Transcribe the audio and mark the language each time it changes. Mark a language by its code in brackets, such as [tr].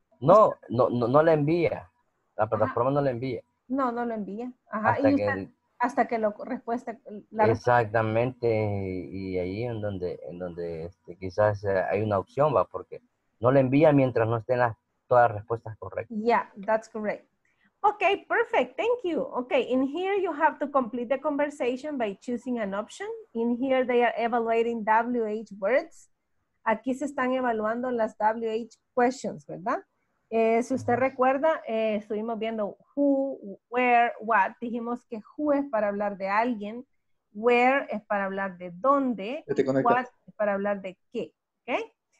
[es] No la envía. La plataforma no la envía. No lo envía. Ajá. Hasta que la respuesta. Exactamente. Y ahí en donde quizás hay una opción, va, porque no la envía mientras no estén todas las respuestas correctas. [en] Yeah, that's correct. Okay, perfect. Thank you. Okay, in here you have to complete the conversation by choosing an option. In here they are evaluating WH words. [es] Aquí se están evaluando las WH questions, ¿verdad? Si usted recuerda, estuvimos viendo who, where, what. Dijimos que who es para hablar de alguien, where es para hablar de dónde, what es para hablar de qué. Okay?